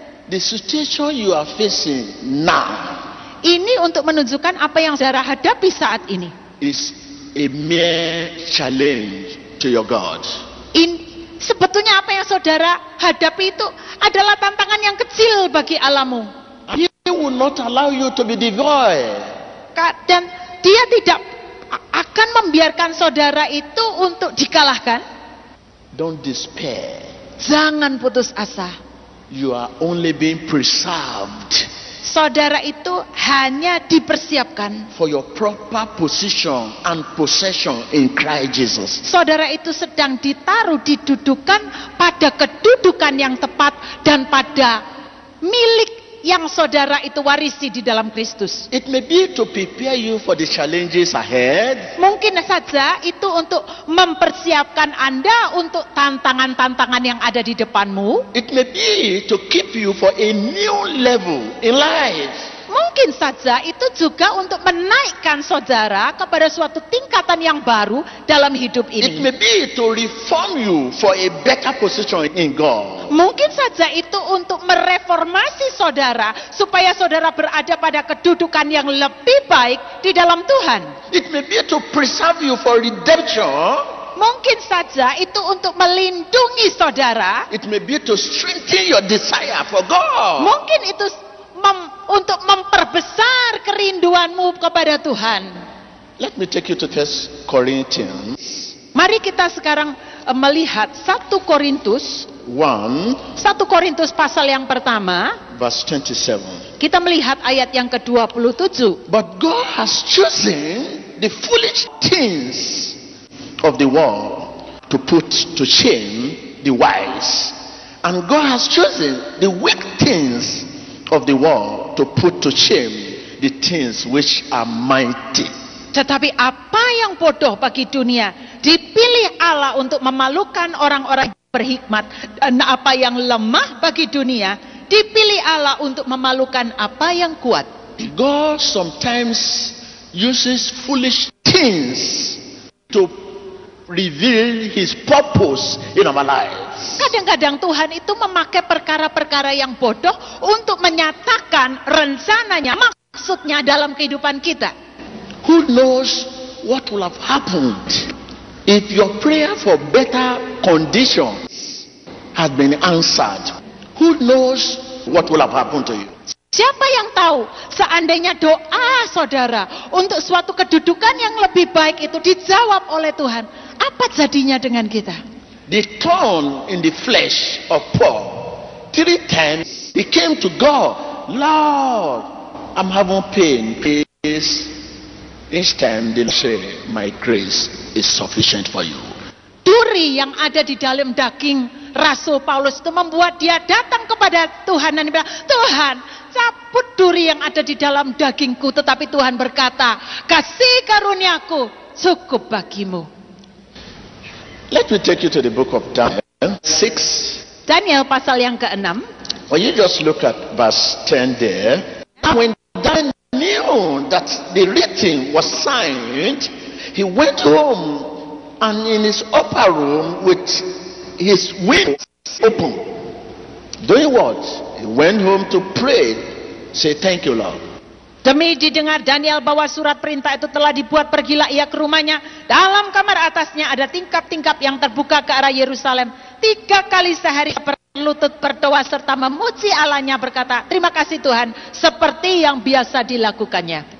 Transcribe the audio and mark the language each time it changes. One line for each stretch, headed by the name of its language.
English: the situation you are facing now,
Indonesian: ini untuk menunjukkan apa yang saudara hadapi saat ini,
English: is a mere challenge to your God.
Indonesian: In sebetulnya apa yang saudara hadapi itu adalah tantangan yang kecil bagi Allahmu.
English: He will not allow you to be devoid.
Indonesian: Dan Dia tidak akan membiarkan saudara itu untuk dikalahkan.
English: Don't despair.
Indonesian: Jangan putus asa.
English: You are only being preserved.
Indonesian: Saudara itu hanya dipersiapkan.
English: For your proper position and possession in Christ Jesus.
Indonesian: Saudara itu sedang ditaruh, didudukan pada kedudukan yang tepat dan pada milik yang saudara itu warisi di dalam Kristus.
English: It may be to prepare you for the challenges ahead.
Indonesian: Mungkin saja itu untuk mempersiapkan Anda untuk tantangan-tantangan yang ada di depanmu.
English: It may be to keep you for a new level in life.
Indonesian: Mungkin saja itu juga untuk menaikkan saudara kepada suatu tingkatan yang baru dalam hidup ini.
English: It may be to reform you for a better position in God.
Indonesian: Mungkin saja itu untuk mereformasi saudara supaya saudara berada pada kedudukan yang lebih baik di dalam Tuhan.
English: It may be to preserve you for redemption.
Indonesian: Mungkin saja itu untuk melindungi saudara.
English: It may be to strengthen your desire for God.
Indonesian: Mungkin itu untuk memperbesar kerinduanmu kepada Tuhan.
English: Let me take you to 1 Corinthians.
Indonesian: Mari kita sekarang melihat 1 Korintus. 1 Korintus pasal yang pertama.
English: Verse 27.
Indonesian: Kita melihat ayat yang ke-27.
English: But God has chosen the foolish things of the world to put to shame the wise. And God has chosen the weak things of the world to put to shame the things which are mighty.
Indonesian: Tetapi apa yang bodoh bagi dunia dipilih Allah untuk memalukan orang-orang berhikmat, dan apa yang lemah bagi dunia dipilih Allah untuk memalukan apa yang kuat.
English: God sometimes uses foolish things to reveal his purpose in our lives.
Indonesian: Kadang-kadang Tuhan itu memakai perkara-perkara yang bodoh untuk menyatakan rencananya, maksudnya dalam kehidupan kita.
English: Who knows what will have happened if your prayer for better conditions has been answered? Who knows what will have happened to you?
Indonesian: Siapa yang tahu seandainya doa saudara untuk suatu kedudukan yang lebih baik itu dijawab oleh Tuhan, apa jadinya dengan kita?
English: The thorn in the flesh of Paul, 3 times he came to God, Lord, I'm having pain. Please, each time they say, my grace is sufficient for you.
Indonesian: Duri yang ada di dalam daging Rasul Paulus itu membuat dia datang kepada Tuhan dan bilang, Tuhan, cabut duri yang ada di dalam dagingku. Tetapi Tuhan berkata, kasih karuniaku cukup bagimu.
English: Let me take you to the book of Daniel 6.
Indonesian: Daniel pasal yang ke-6.
English: When you just look at verse 10 there. And when Daniel knew that the written was signed, he went home and in his upper room with his windows open. Doing what? He went home to pray. Say, thank you, Lord.
Indonesian: Demi didengar Daniel bahwa surat perintah itu telah dibuat, pergilah ia ke rumahnya. Dalam kamar atasnya ada tingkap-tingkap yang terbuka ke arah Yerusalem. 3 kali sehari berlutut berdoa serta memuji Allahnya berkata, terima kasih Tuhan, seperti yang biasa dilakukannya.